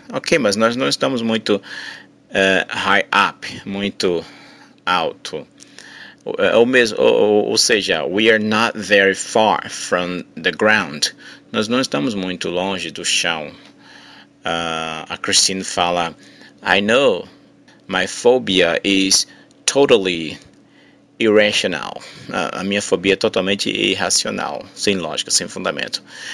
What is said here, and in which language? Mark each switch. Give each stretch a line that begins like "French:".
Portuguese: Ok, mas nós não estamos muito
English: high up,
Portuguese: muito alto. Ou seja,
English: we are not very far from the ground.
Portuguese: Nós não estamos muito longe do chão. A Christine fala,
English: "I know my phobia is totally irrational."
Portuguese: A minha fobia é totalmente irracional, sem lógica, sem fundamento.